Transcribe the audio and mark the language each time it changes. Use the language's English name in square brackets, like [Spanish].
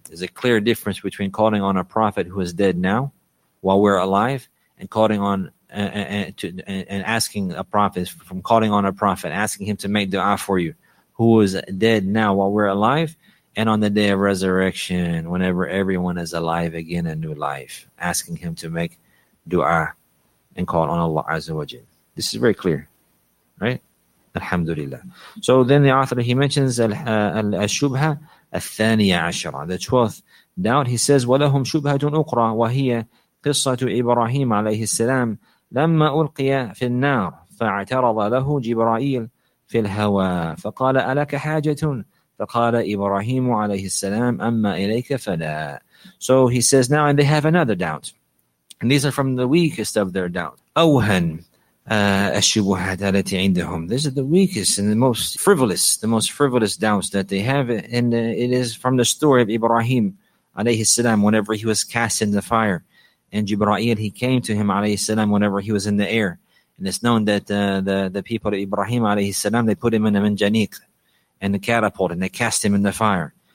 [English] There's a clear difference between calling on a prophet who is dead now, while we're alive, and calling on asking a prophet asking him to make dua for you, who is dead now while we're alive, and on the day of resurrection, whenever everyone is alive again, a new life, asking him to make dua and call on Allah Azza wa Jalla. This is very clear, right? Alhamdulillah. So then the author, he mentions al-shubha al-thaniya ashara, the 12th doubt. He says, [Arabic] وَلَهُمْ شُبْهَةٌ أُقْرَى وَهِيَ قِصَّةُ إِبْرَاهِيمَ عَلَيْهِ السَّلَامِ لَمَّا أُلْقِيَ فِي النَّارِ فَاعْتَرَضَ لَهُ جِبْرَائِيلُ فِي الْهَوَى فَقَالَ أَلَكَ حَاجَةٌ فَقَالَ إِبْرَاهِيمُ عَلَيْهِ السَّلَامِ أَمَّا إِلَيْكَ فَلَا. [English] So he says now, and they have another doubt. And these are from the weakest of their doubt. [Arabic] أوهن الشبهات التي عندهم. [English] This is the weakest and the most frivolous doubts that they have. And it is from the story of Ibrahim alayhi salam, whenever he was cast in the fire. And Jibra'il, he came to him alayhi salam, whenever he was in the air. And it's known that the people of Ibrahim alayhi salam, they put him in a manjaniq, in a catapult, and they cast him in the fire.